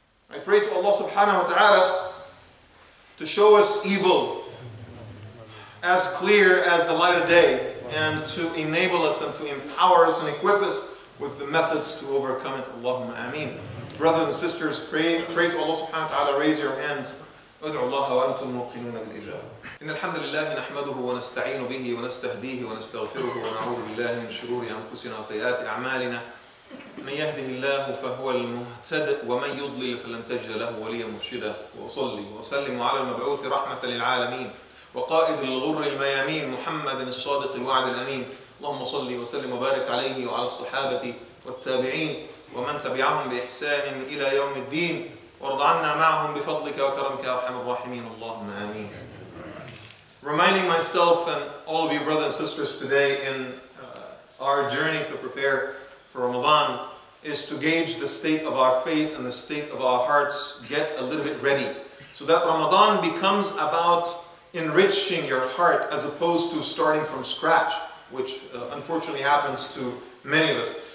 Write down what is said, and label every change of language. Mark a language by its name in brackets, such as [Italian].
[English] I pray to Allah subhanahu wa ta'ala to show us evil as clear as the light of day and to enable us and to empower us and equip us with the methods to overcome it. Allahumma ameen. Brothers and sisters, pray to Allah subhanahu wa ta'ala, raise your hands. [Arabic] ادعوا الله وانتم موقنون بالإجابة. إن الحمد لله نحمده ونستعين به ونستهديه ونستغفره ونعوذ بالله من شرور أنفسنا وسيئات أعمالنا. من يهده الله فهو المهتد ومن يضلل فلن تجد له وليا مرشدا. وأصلي وأسلم على المبعوث رحمة للعالمين وقائد الغر الميامين محمد الصادق الوعد الأمين. اللهم صلي وسلم وبارك عليه وعلى الصحابة والتابعين ومن تبعهم بإحسان إلى يوم الدين. وارض عنا معهم بفضلك وكرمك ارحم الراحمين اللهم امين. [English] Reminding myself and all of you brothers and sisters today in our journey to prepare for Ramadan is to gauge the state of our faith and the state of our hearts, get a little bit ready. So that Ramadan becomes about enriching your heart as opposed to starting from scratch, which unfortunately happens to many of us.